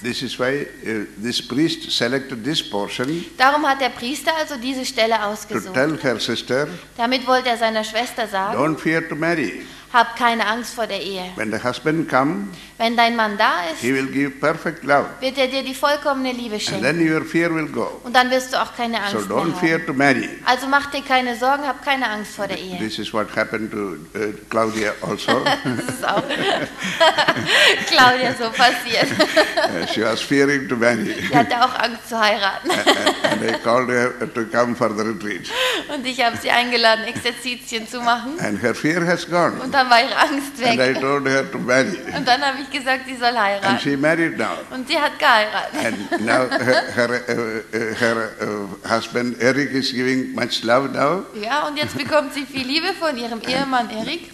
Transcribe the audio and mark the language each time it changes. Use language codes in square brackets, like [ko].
[en] This is why this priest selected this portion. [de] Darum hat der Priester also diese Stelle ausgesucht. [en] To tell her sister, [de] damit wollte er seiner Schwester sagen, [en] don't fear to marry. [de] Hab keine Angst vor der Ehe. [en] When the husband come, [de] wenn dein Mann da ist, [en] he will give perfect love. [de] Wird er dir die vollkommene Liebe schenken. [en] And then your fear will go. [de] Und dann wirst du auch keine Angst [en] so don't fear [de] haben. [en] To marry. [de] Also mach dir keine Sorgen, hab keine Angst vor der Ehe. [en] This is what happened to Claudia also. [de] Das ist auch Claudia so passiert. [en] She was fearing to marry. [de] Sie hatte auch Angst zu heiraten. [en] And I called her to come for the retreat. [de] Und ich habe sie eingeladen, Exerzitien zu machen. [en] And her fear has gone. [de] Und dann war ihre Angst weg. [en] And I told her to marry. [de] Und dann habe ich gesagt, sie soll heiraten. [en] And she married now. [de] Und sie hat geheiratet. [en] And now her husband Eric is giving much love now. [de] Ja, und jetzt bekommt sie viel Liebe von ihrem Ehemann Eric.